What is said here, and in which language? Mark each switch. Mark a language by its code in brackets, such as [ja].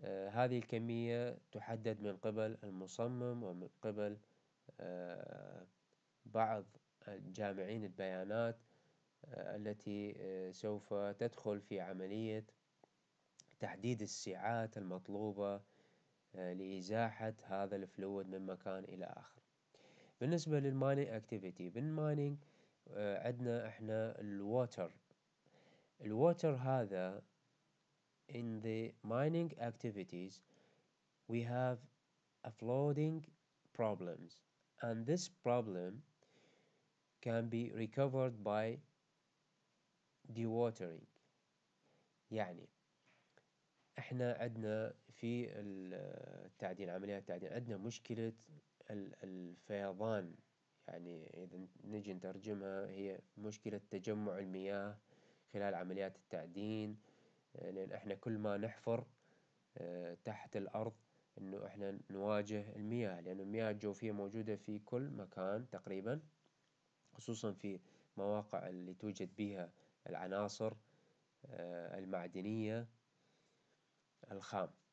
[ar] هذه الكمية تحدد من قبل المصمم ومن قبل بعض جامعين البيانات التي سوف تدخل في عملية تحديد السعات المطلوبة لإزاحة هذا الفلويد من مكان إلى آخر. بالنسبة للمايننج أكتيفيتي، بالمايننج عندنا إحنا الووتر. الووتر هذا [en] in the mining activities we have a flooding problems and this problem can be recovered by dewatering. [ar] يعني احنا عندنا في التعدين، عمليات التعدين، عندنا مشكلة الفيضان. يعني اذا نجي نترجمها هي مشكلة تجمع المياه خلال عمليات التعدين، لان احنا كل ما نحفر تحت الارض انه احنا نواجه المياه، لان المياه الجوفية موجودة في كل مكان تقريبا، خصوصا في مواقع اللي توجد بها العناصر المعدنية الخام.